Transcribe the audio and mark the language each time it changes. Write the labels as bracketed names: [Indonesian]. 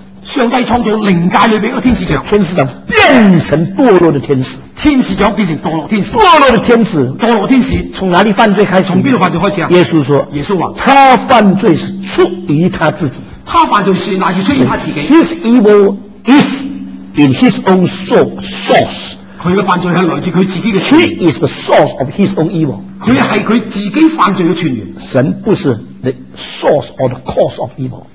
[Chinese] 上帝创造灵界里面的天使长，天使长变成堕落的天使，天使长变成堕落天使，堕落的天使，堕落天使从哪里犯罪开始？从哪里犯罪开始啊？耶稣说，耶稣说，他犯罪是出于他自己，他犯罪是哪些出于他自己 [English] ？His evil is in his own soul source。 [Chinese] 他的犯罪是来自他自己的。 [English] He is the source of his own evil。 [Chinese] 他是他自己犯罪的泉源。神不是 [English] the source or the cause of evil。